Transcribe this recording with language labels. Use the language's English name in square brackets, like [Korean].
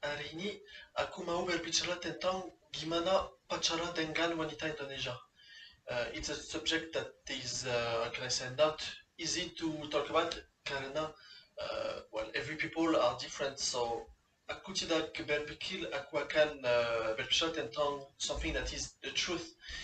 [Indonesian] Hari ini aku mau berbicara tentang gimana pacara dengan wanita Indonesia. [English] It's a subject that is, can I say, not easy to talk about karena, well, every people are different. [Indonesian] So aku tidak berpikir aku akan berbicara tentang [English] something that is the truth.